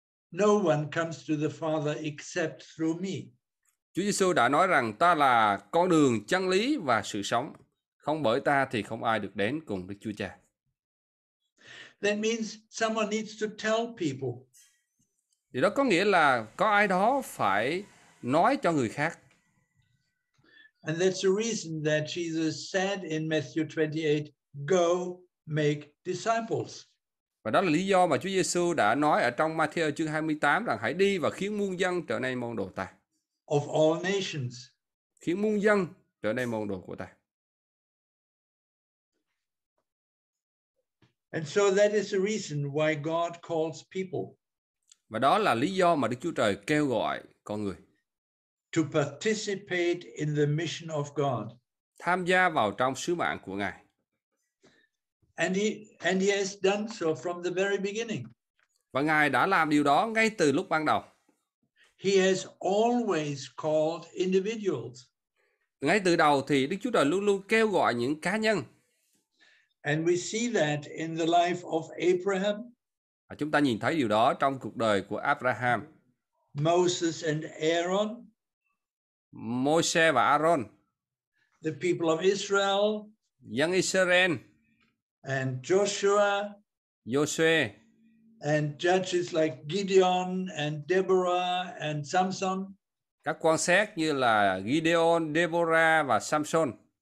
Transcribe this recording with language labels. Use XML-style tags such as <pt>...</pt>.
<en>No one comes to the Father except through me.</en> <vi>Chúa Giêsu đã nói rằng ta là con đường, chân lý và sự sống. Không bởi ta thì không ai được đến cùng Đức Chúa Cha.</vi> <en>That means someone needs to tell people.</en> <vi>Điều đó có nghĩa là có ai đó phải nói cho người khác.</vi> <en>And that's the reason that Jesus said in Matthew 28, go make disciples.</en> <vi>Và đó là lý do mà Chúa Giêsu đã nói ở trong Matthew chương 28 rằng hãy đi và khiến muôn dân trở nên môn đồ ta.</vi> <en>Of all nations.</en> <vi>Khiến muôn dân trở nên môn đồ của ta.</vi> <en>And so that is the reason why God calls people.</en> <vi>Và đó là lý do mà Đức Chúa Trời kêu gọi con người.</vi> <en>To participate in the mission of God.</en> <vi>Tham gia vào trong sứ mạng của Ngài.</vi> <en>And he has done so from the very beginning.</en> <vi>Và Ngài đã làm điều đó ngay từ lúc ban đầu.</vi> <en>He has always called individuals.</en> <vi>Ngay từ đầu thì Đức Chúa Trời luôn luôn kêu gọi những cá nhân.</vi> <en>And we see that in the life of Abraham.</en> <vi>Chúng ta nhìn thấy điều đó trong cuộc đời của Abraham.</vi> <en>Moses and Aaron.</en> <vi>Môi-se và Aaron.</vi> <en>The people of Israel.</en> <vi>Dân Israel.</vi> <en>And Joshua.</en> <vi>Joshua.</vi> <en>And judges like Gideon and Deborah and Samson.</en> <vi>Các quan xét như là Gideon, Deborah và Samson.</vi>